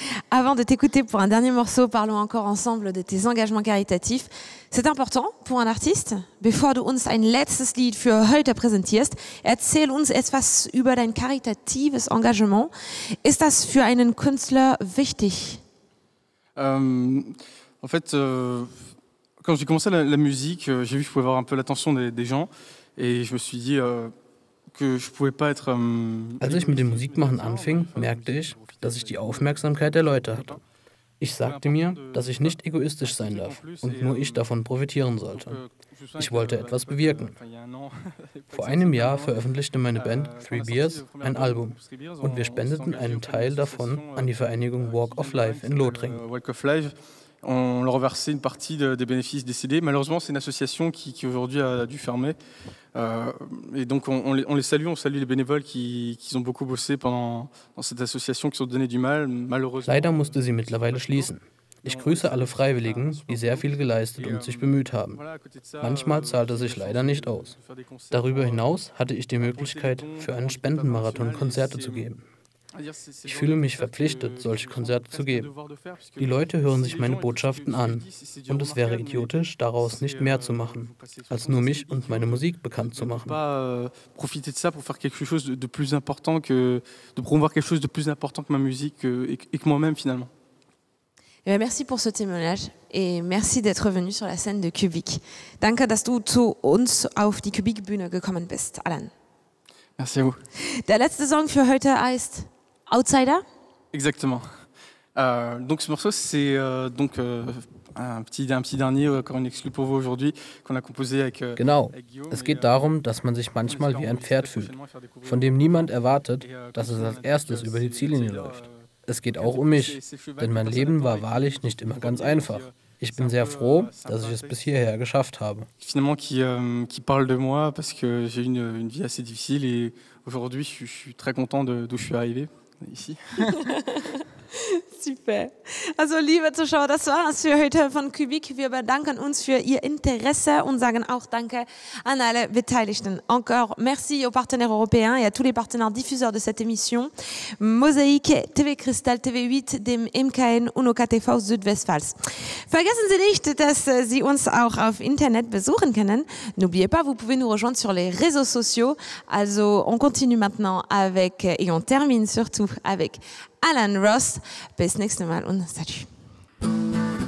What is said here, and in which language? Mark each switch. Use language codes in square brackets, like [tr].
[fr] Avant de t'écouter pour un dernier morceau, parlons encore ensemble de tes engagements caritatifs. C'est important pour un artiste. [de] Bevor du uns ein letztes Lied für heute präsentierst, erzähl uns etwas über dein karitatives Engagement. Ist das für einen Künstler wichtig? [fr] Quand j'ai commencé la musique, j'ai vu que je pouvais avoir un peu l'attention des gens et je me suis dit que je pouvais pas être [de] Als ich mit dem Musikmachen anfing, merkte ich, dass ich die Aufmerksamkeit der Leute hatte. Ich sagte mir, dass ich nicht egoistisch sein darf und nur ich davon profitieren sollte. Ich wollte etwas bewirken. Vor einem Jahr veröffentlichte meine Band Three Beers ein Album und wir spendeten einen Teil davon an die Vereinigung Walk of Life in Lothringen. [fr] On leur versait une partie des bénéfices des CD. Malheureusement, c'est une association qui aujourd'hui a dû fermer. Et donc, on les salue les bénévoles qui ont beaucoup bossé pendant cette association, qui se sont donné du mal. Malheureusement. [de] Leider musste sie mittlerweile schließen. Ich grüße alle Freiwilligen, die sehr viel geleistet und sich bemüht haben. Manchmal zahlt es sich leider nicht aus. Darüber hinaus hatte ich die Möglichkeit, für einen Spendenmarathon Konzerte zu geben. Ich fühle mich verpflichtet, solche Konzerte zu geben. Die Leute hören sich meine Botschaften an und es wäre idiotisch, daraus nicht mehr zu machen, als nur mich und meine Musik bekannt zu machen. [fr] Profiter de ça pour faire quelque chose de plus important que de promouvoir quelque chose de plus important que ma musique et que moi-même finalement. Merci pour ce témoignage et merci d'être venu sur la scène de Kubik. [de] Danke, dass du zu uns auf die Kubik-Bühne gekommen bist, Alan. [fr] Merci à vous. [de] Der letzte Song für heute heißt Outsider. [fr] Exactement. Donc ce morceau c'est donc un petit dernier encore une exclu pour vous aujourd'hui qu'on a composé avec [de] Genau. Es geht darum, dass man sich manchmal wie ein Pferd fühlt, von dem niemand erwartet, dass es als erstes über die Ziellinie läuft. Es geht auch um mich, denn mein Leben war wahrlich nicht immer ganz einfach. Ich bin sehr froh, dass ich es bis hierher geschafft habe. [fr] Finalement qui parle de moi parce que j'ai une vie assez difficile et aujourd'hui je suis très content d'où je suis arrivé ici. Super. [de] Also liebe Zuschauer, das war es für heute von Kubik. Wir bedanken uns für Ihr Interesse und sagen auch Danke an alle Beteiligten. [fr] Encore merci aux partenaires européens et à tous les partenaires diffuseurs de cette émission. [de] Mosaïque, TV Crystal, TV8, dem MKN und OKTV Südwestpfalz. Vergessen Sie nicht, dass Sie uns auch auf Internet besuchen können. [fr] N'oubliez pas, vous pouvez nous rejoindre sur les réseaux sociaux. Also on continue maintenant avec, et on termine surtout avec Alan Ross, [de] bis nächstes Mal [fr] und salut.